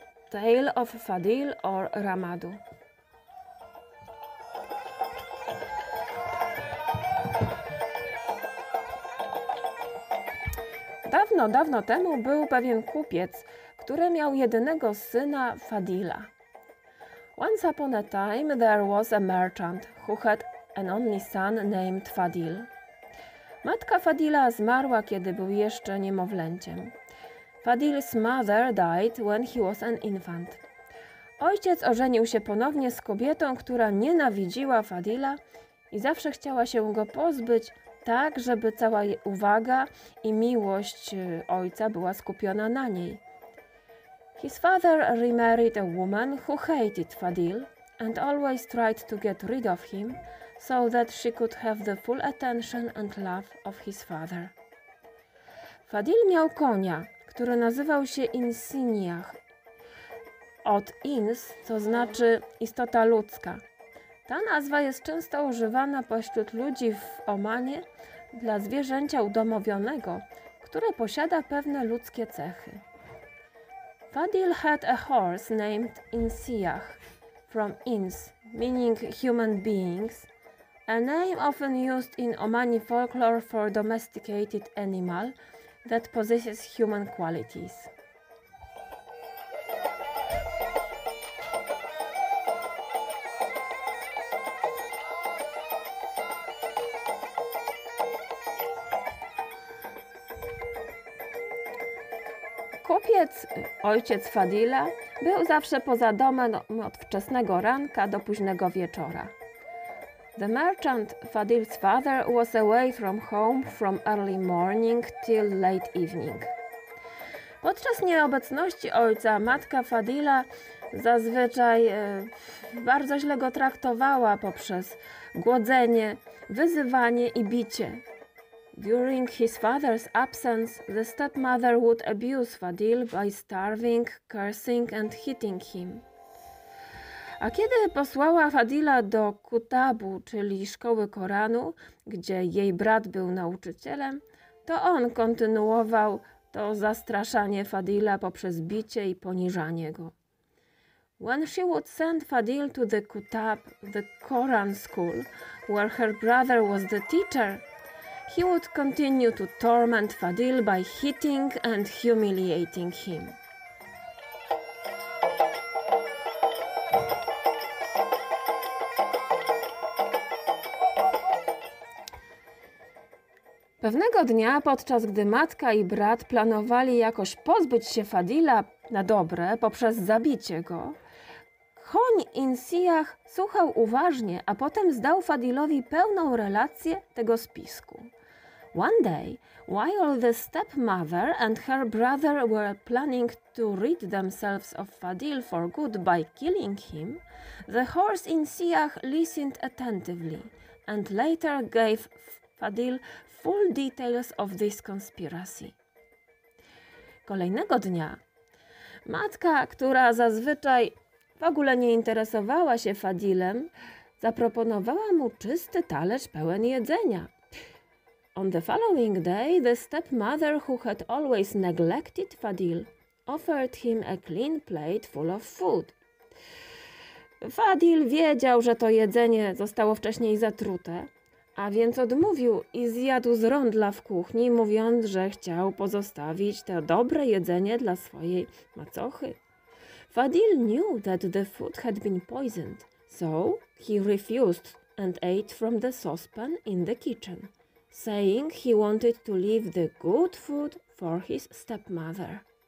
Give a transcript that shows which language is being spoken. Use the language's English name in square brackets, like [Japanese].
[English] Tale of Fadil or Ramadu. [Polish] Dawno, dawno temu był pewien kupiec, który miał jedynego syna Fadila. [English] Once upon a time there was a merchant who had an only son named Fadil. [Polish] Matka Fadila zmarła, kiedy był jeszcze niemowlęciem. [English] Fadil's mother died when he was an infant. [Polish] Ojciec ożenił się ponownie z kobietą, która nienawidziła Fadila i zawsze chciała się go pozbyć, tak żeby cała uwaga i miłość ojca była skupiona na niej. [English] His father remarried a woman who hated Fadil and always tried to get rid of him so that she could have the full attention and love of his father. [Polish] Fadil miał konia, który nazywał się Insiniah. Od ins, co znaczy istota ludzka. Ta nazwa jest często używana pośród ludzi w Omanie dla zwierzęcia udomowionego, które posiada pewne ludzkie cechy. [English] Fadil had a horse named Insiniah, from ins, meaning human beings, a name often used in Omani folklore for domesticated animal that possesses human qualities. [Polish] Kupiec, ojciec Fadila, był zawsze poza domem od wczesnego ranka do późnego wieczora. [English] The merchant, Fadil's father, was away from home from early morning till late evening. [Polish] Podczas nieobecności ojca, matka Fadila zazwyczaj bardzo źle go traktowała poprzez głodzenie, wyzywanie i bicie. [English] During his father's absence, the stepmother would abuse Fadil by starving, cursing and hitting him. [Polish] A kiedy posłała Fadila do Kutabu, czyli szkoły Koranu, gdzie jej brat był nauczycielem, to on kontynuował to zastraszanie Fadila poprzez bicie i poniżanie go. [English] When she would send Fadil to the Kutab, the Koran school, where her brother was the teacher, he would continue to torment Fadil by hitting and humiliating him. [Polish] Pewnego dnia, podczas gdy matka i brat planowali jakoś pozbyć się Fadila na dobre poprzez zabicie go, koń Insiniah słuchał uważnie, a potem zdał Fadilowi pełną relację tego spisku. [English] One day, while the stepmother and her brother were planning to rid themselves of Fadil for good by killing him, the horse Insiniah listened attentively and later gave Fadil full details of this conspiracy. [Polish] Kolejnego dnia matka, która zazwyczaj w ogóle nie interesowała się Fadilem, zaproponowała mu czysty talerz pełen jedzenia. [English] On the following day, the stepmother, who had always neglected Fadil, offered him a clean plate full of food. [Polish] Fadil wiedział, że to jedzenie zostało wcześniej zatrute, a więc odmówił i zjadł z rondla w kuchni, mówiąc, że chciał pozostawić to dobre jedzenie dla swojej macochy. [English] Fadil knew that the food had been poisoned, so he refused and ate from the saucepan in the kitchen, saying he wanted to leave the good food for his stepmother.